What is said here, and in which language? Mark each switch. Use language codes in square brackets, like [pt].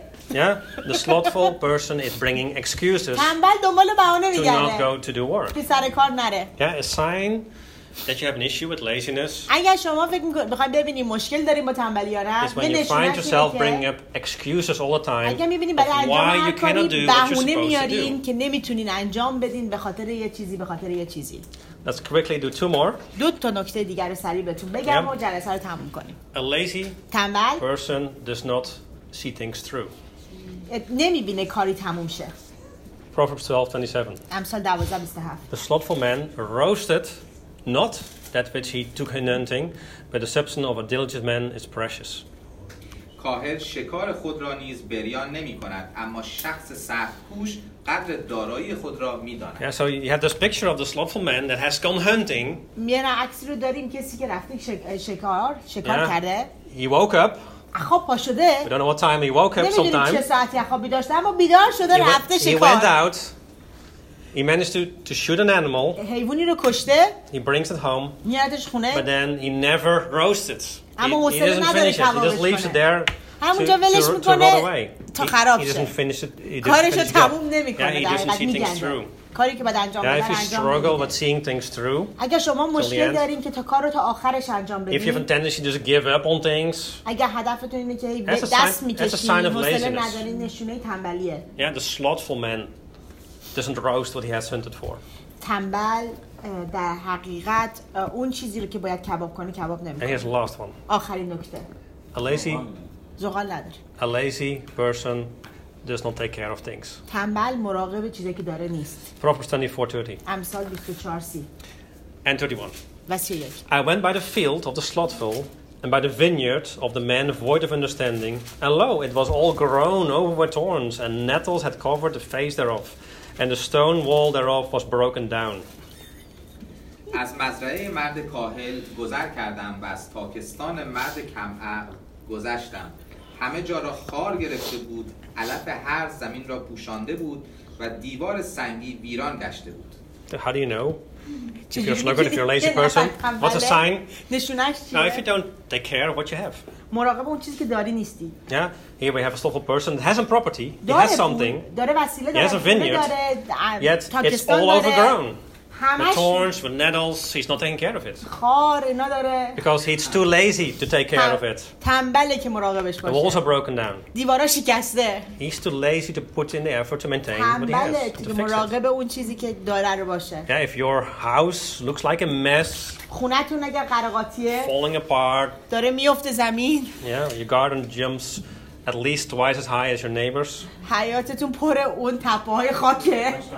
[en] Yeah, the slothful person is bringing excuses to not go to do work. Yeah, a sign that you have an issue with laziness. [fa] اگه شما فکر می‌کنید بخوام ببینیم مشکل داریم با تنبلی یا نه، [en] find yourself bringing up excuses all the time. [fa] اگه می‌بینید برای انجام کاری بهونه میارین که نمیتونین انجام بدین به خاطر یه چیزی، به خاطر یه چیزی. [en] Let's quickly do two more. [fa] دو تا نکته دیگه رو سریع بهتون بگم و جلسه رو تموم کنیم. [en] A lazy [fa] تنبل [en] person does not see things through. [fa] نمی‌بینه کاری تموم شه. [en] Proverbs 12:27. [fa] امثال 12:27. [en] The slothful man roasted not that which he took in hunting, but the substance of a diligent man is precious. [fa] کاهل شکار خود را نیز بریان نمی کند، اما شخص سخت‌کوش قدر دارایی خود را می داند. [en] Yeah, so you have this picture of the slothful man that has gone hunting. [fa] میانه عکسی رو داریم کسی که رفته شکار کرده. [en] He woke up. [fa] خواب پاشده. [en] We don't know what time he woke up sometime. [fa] نمیدونیم چه ساعتی خواب بیدار شده، اما بیدار شده رفته شکار. [en] He went out. He managed to shoot an animal. He brings it home. But then he never roasts it. He doesn't finish it. He just leaves it there to rot away. He doesn't finish it. He doesn't finish it. Yeah, he doesn't see things through. [fa] کاری که باید انجام بدی. [en] If you struggle with seeing things through. [fa] اگه شما مشکل دارین که تا کارو تا آخرش انجام بدین. [en] If you have a tendency to just give up on things. [fa] اگه هدفتون اینه که دست میکشین. [en] That's a sign of laziness. [fa] نشونه تنبلیه. [en] Yeah, the slothful man doesn't roast what he has hunted for. [fa] تنبل در حقیقت اون چیزی رو که باید کباب کنه کباب نمیکنه. [en] And here's the last one. [fa] آخرین نکته. [en] A lazy [fa] زغال نداره. [en] A lazy person does not take care of things. [fa] تنبل مراقب چیزی که داره نیست. [en] Proverbs 24:30. [fa] امثال 24:30. [en] And 31. [fa] و 31. [en] I went by the field of the slothful and by the vineyard of the man void of understanding, and lo, it was all grown over with thorns, and nettles had covered the face thereof, and the stone wall thereof was broken down. [fa] از مزرعه مرد کاهل گذر کردم و از تاکستان مرد کم عقل گذشتم. همه جا را خار گرفته بود، علف هر زمین را پوشانده بود و دیوار سنگی ویران گشته بود. [en] How do you know? If you're sluggard, if you're a lazy person, what's a sign? Now, if you don't take care of what you have. [fa] مراقب اون چیزی که داری نیستی. [en] Yeah, here we have a slothful person that has a property, he has something, [fa] داره وسیله، [en] he has a vineyard, yet it's all overgrown. The thorns, the nettles, he's not taking care of it. [fa] خار اینا داره. [en] Because he's too lazy to take care of it. [fa] تنبله که مراقبش باشه. [en] The walls are broken down. [fa] دیوارا شکسته. [en] He's too lazy to put in the effort to maintain what he has. [fa] تنبله که مراقب اون چیزی که داره رو باشه. [en] Yeah, if your house looks like a mess. [fa] خونتون اگه قرقاتیه. [en] Falling apart. [fa] داره میفته زمین. [en] Yeah, your garden jumps at least twice as high as your neighbors. [fa] حیاتتون پر اون تپه‌های خاکه.